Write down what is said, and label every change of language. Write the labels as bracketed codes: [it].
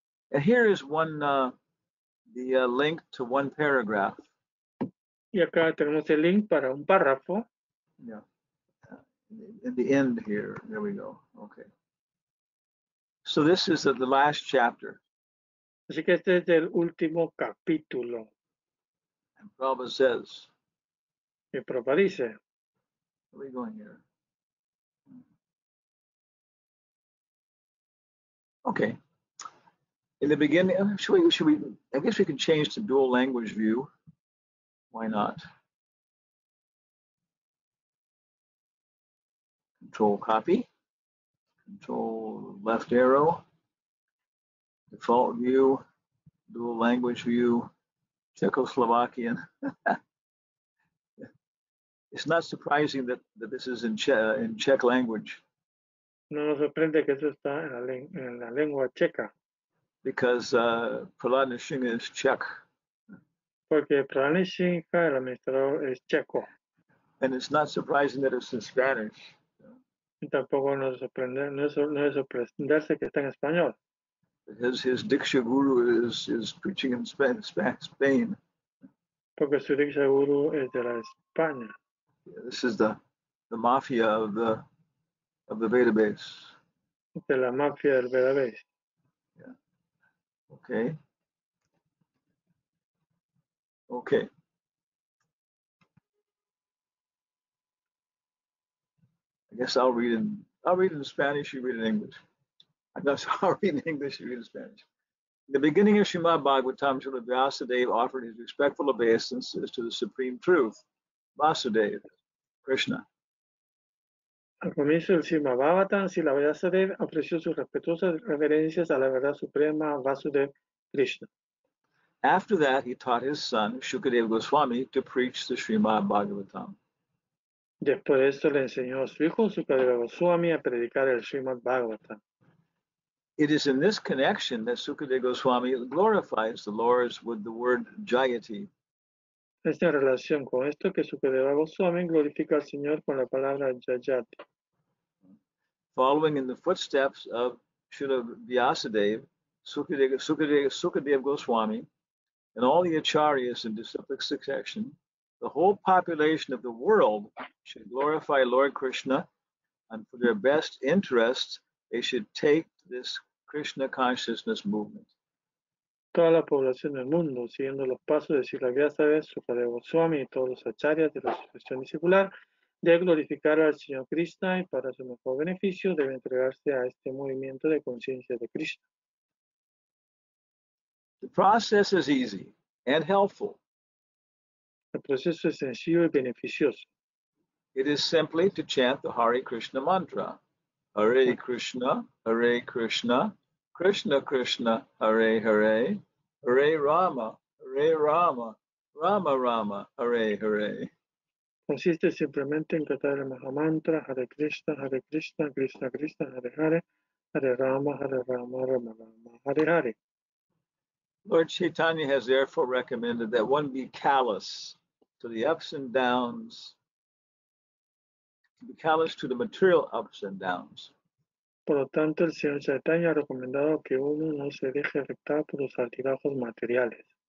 [en] And here is one link to one paragraph. [es] Y acá tenemos el link para un párrafo. [en] Yeah. In the end here. There we go. Okay. So this is the last chapter. [es] Así que este es el último capítulo. [en] And Prabhupada says. [es] Y Prabhupada dice. [en] Where are we going here? Okay. In the beginning, I guess we can change to dual language view. Why not? Control copy. Control left arrow. Default view. Dual language view. Czechoslovakian. It's not surprising that this is in Czech language. [es] No nos sorprende que eso está en la lengua checa. [en] Because Prahlad Nrsimha is Czech. [es] Porque Prahlad Nrsimha, el administrador, es checo. [en] And it's not surprising that it's in Spanish. [es] Y tampoco nos sorprende, no es sorprenderse que está en español. [en] His Diksha Guru is preaching in Spain. [es] Porque su Diksha Guru es de la España. [en] Yeah, this is the mafia of the Veda base. [es] De la mafia del Veda base. [en] Yeah. Okay. I guess I'll read in Spanish, you read in English. I'll read in English, you read in Spanish. In the beginning of Srimad Bhagavatam, Srila Vyasadeva offered his respectful obeisances to the Supreme Truth, Vasudeva, Krishna. [es] Al comienzo del Srimad Bhagavatam, Srila Vyasadeva ofreció sus respetuosas reverencias a la verdad suprema, Vasudeva, Krishna. [en] After that, he taught his son, Shukadeva Goswami, to preach the Srimad Bhagavatam. [es] Después de esto, le enseñó a su hijo, Shukadeva Goswami, a predicar el Srimad Bhagavatam. [en] It is in this connection that Sukadeva Goswami glorifies the Lords with the word Jayati. [es] Es en relación con esto que Sukadeva Goswami glorifica al Señor con la palabra Jayati. [en] Following in the footsteps of Srila Vyasadeva, Sukadeva Goswami, and all the Acharyas in disciplic succession, the whole population of the world should glorify Lord Krishna, and for their best interests, they should take this Krishna consciousness movement. [es] Toda la población del mundo, siguiendo los pasos de Sri Vyasadeva, Sukadeva Goswami y todos los acharyas de la sucesión discipular, debe glorificar al Señor Krishna y para su mejor beneficio debe entregarse a este movimiento de conciencia de Krishna. [en] The process is easy and helpful. [es] El proceso es sencillo y beneficioso. [en] It is simply to chant the Hare Krishna mantra. [sa] Hare Krishna, Krishna Krishna, Hare Hare, Hare Rama, Rama Rama, Hare Hare. [es] Consiste simplemente en cantar el mantra Hare Krishna, Hare Krishna, Krishna Krishna, Hare Hare, Hare Rama, Hare Rama, Rama Rama, Hare Hare. [en] Lord Chaitanya has therefore recommended that one be callous to the ups and downs. Be callous to the material ups and downs. [es] Por lo tanto, el Señor Chaitanya ha recomendado que uno no se deje afectar por los altibajos materiales.